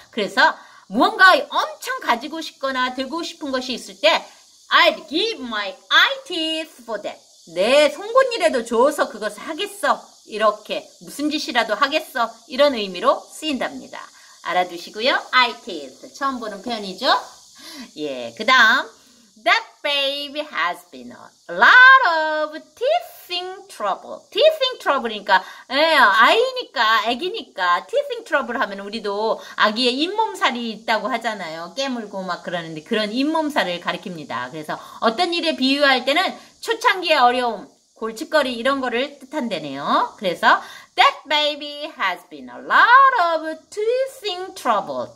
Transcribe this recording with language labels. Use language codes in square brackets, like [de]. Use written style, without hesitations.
[ko] 그래서 무언가 엄청 가지고 싶거나 들고 싶은 것이 있을 때 I'd give my ITS for that. 내 송곳니라도 줘서 그것을 하겠어. 이렇게 무슨 짓이라도 하겠어. 이런 의미로 쓰인답니다. 알아두시고요. [en] I teeth. [ko] 처음 보는 표현이죠? 예, 그 다음. [en] That baby has been a lot of teething trouble. [ko] Teething trouble이니까, 예, 아이니까, 아기니까, teething trouble 하면 우리도 아기의 잇몸살이 있다고 하잖아요. 깨물고 막 그러는데 그런 잇몸살을 가리킵니다. 그래서 어떤 일에 비유할 때는 초창기의 어려움, 골칫거리 이런 거를 뜻한대네요. [en] 그래서 That baby has been a lot of teething trouble.